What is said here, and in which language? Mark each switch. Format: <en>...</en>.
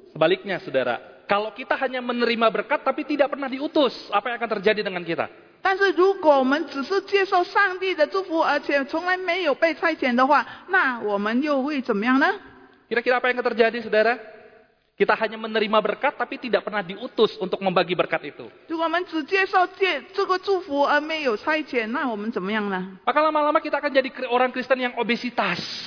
<id>Sebaliknya, saudara, kalau kita hanya menerima berkat tapi tidak pernah diutus, apa yang akan terjadi dengan kita?</id> <zh>但是如果我们只是接受上帝的祝福，而且从来没有被差遣的话，那我们又会怎么样呢？</zh> <id>Kira-kira apa yang akan terjadi, saudara? Kita hanya menerima berkat tapi tidak pernah diutus untuk membagi berkat itu.</id> <zh>如果我们只接受这个祝福而没有差遣，那我们怎么样呢？</zh> <id>Maka lama-lama kita akan jadi orang Kristen yang obesitas.</id>